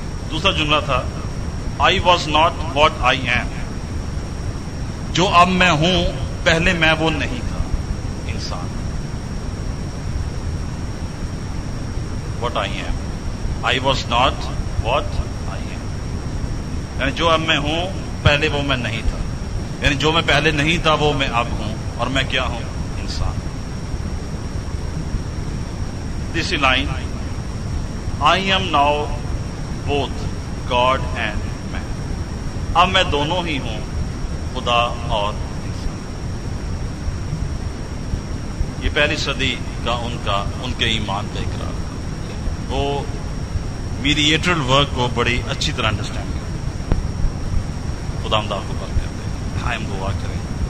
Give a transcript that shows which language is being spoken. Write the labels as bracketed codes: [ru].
[ur] دوسرا جملہ تھا [en] I was not what I am, [ur] جو اب میں ہوں پہلے میں وہ نہیں تھا, انسان what I am, I was not what I am, یعنی جو اب میں ہوں پہلے وہ میں نہیں تھا, یعنی جو میں پہلے نہیں تھا وہ میں اب ہوں, اور میں کیا ہوں؟ انسان. [en] This line, I am now both God and man. [ur] اب میں دونوں ہی ہوں, خدا اور انسان. یہ پہلی صدی کا ان کے ایمان کا اقرار تھا. وہ میڈیٹرل ورک کو بڑی اچھی طرح انڈرسٹینڈ کرتے, خدا ہم داخل کو بات کرتے ہیں.